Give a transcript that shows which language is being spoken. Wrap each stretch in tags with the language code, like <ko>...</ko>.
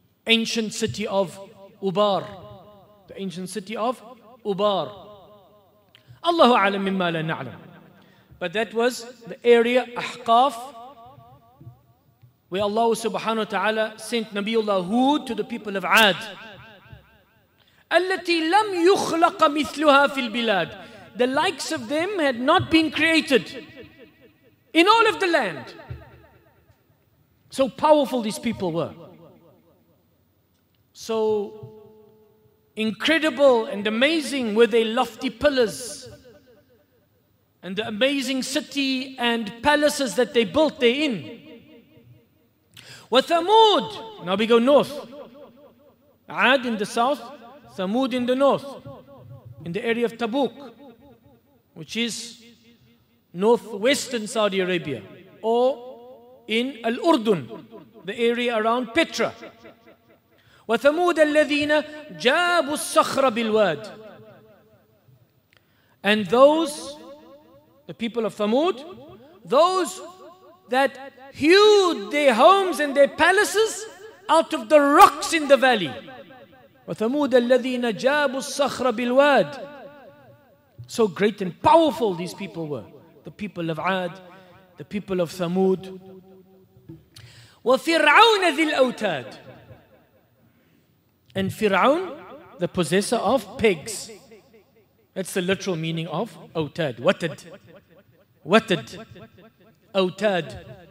<en>ancient city of Ubar. The ancient city of Ubar.</en> <ar>Allahu alam mimma la na'lam.</ar> <en>But that was the area, Ahqaf, where Allah subhanahu wa ta'ala sent Nabiullah Hud to the people of Ad.</en> <ar>التي لم يخلق مثلها في البلاد.</ar> <en>The likes of them had not been created in all of the land. So powerful these people were. So incredible and amazing were their lofty pillars and the amazing city and palaces that they built therein. وثمود. Now we go north. Ad in the south, Thamud in the north, in the area of Tabuk, which is northwestern Saudi Arabia, or in Al Urdun, the area around Petra.</en> <ar>وثمود الذين جابوا الصخر بالواد.</ar> <en>And those, the people of Thamud, those that hewed their homes and their palaces out of the rocks in the valley.</en> <ar>وثمود الذين جابوا الصخر بالواد.</ar> <en>So great and powerful these people were. The people of Ad, the people of Thamud.</en> <ar>وفرعون ذي الأوتاد.</ar> <en>And Fir'aun, the possessor of pigs. That's the literal meaning of Autad. Watad. Watad. Autad.</en>